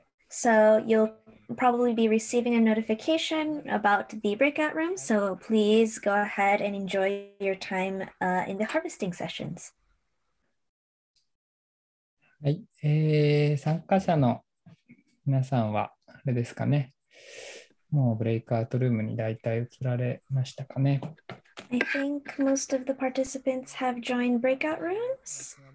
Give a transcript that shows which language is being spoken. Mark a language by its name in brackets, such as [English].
[English] So you'll probably be receiving a notification about the breakout room. So please go ahead and enjoy your time in the harvesting sessions. [Japanese] はい、参加者の皆さんはあれですかね、もうブレイクアウトルームに大体移られましたかね。 [English] I think most of the participants have joined breakout rooms.